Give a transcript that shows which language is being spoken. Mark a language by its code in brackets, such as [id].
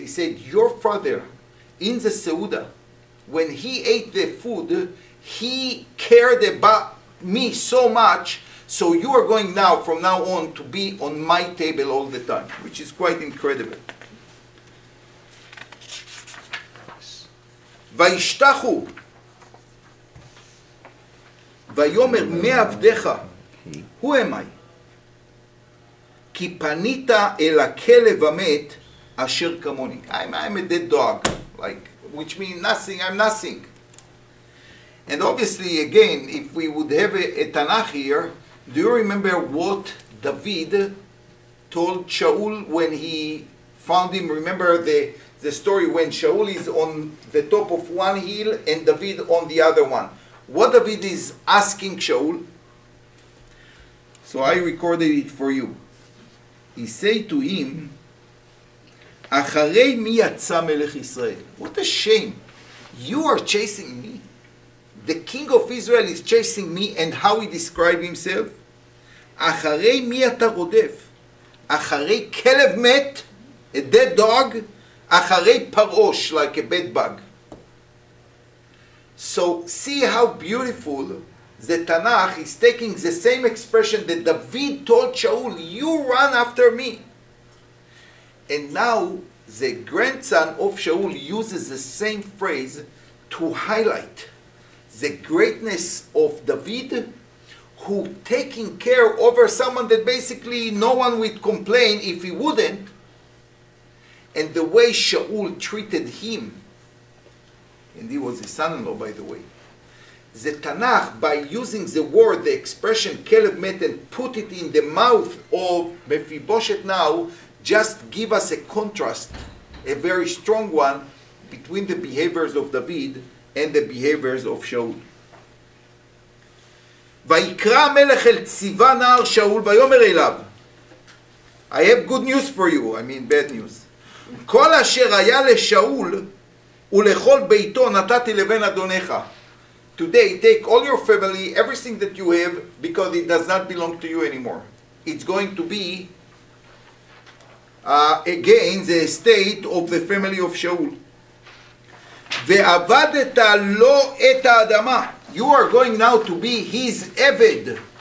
[en] He said, your father, in the Seuda, when he ate the food, he cared about me so much, so you are going now, from now on, to be on my table all the time, which is quite incredible. [he] וישתחו ויאמר מעבדך, [en] who am I? [he] כי פנית אל הכלב המת אשר כמוני. [en] I'm a dead dog, like, which means nothing, I'm nothing. And obviously, again, if we would have a Tanakh here, do you remember what David told Shaul when he found him? Remember the story when Shaul is on the top of one hill and David on the other one. What David is asking Shaul, so I recorded it for you. He said to him, [he] אחרי מי יצא מלך ישראל? [en] What a shame. You are chasing me. The king of Israel is chasing me, and how he described himself? [he] אחרי מי אתה רודף? אחרי כלב מת, [en] a dead dog, [he] אחרי פרוש, [en] like a bed bug. So see how beautiful the Tanakh is taking the same expression that David told Shaul, you run after me. And now the grandson of Shaul uses the same phrase to highlight the greatness of David, who taking care over someone that basically no one would complain if he wouldn't, and the way Shaul treated him. And he was his son-in-law, by the way. The Tanakh, by using the word, the expression Kelev Met, and put it in the mouth of Mephibosheth now, just give us a contrast, a very strong one, between the behaviors of David and the behaviors of Shaul. [he] Vayikra melech el tziva na'ar Shaul vayomer elav. [en] I have good news for you, I mean bad news. [he] Kol asher haya leShaul ולכל ביתו נתתי לבן אדונך. [en] Today, take all your family, everything that you have, because it does not belong to you anymore. It's going to be, again, the estate of the family of Shaul. [he] ועבדת לו את האדמה. [en] You are going now to be his עבד.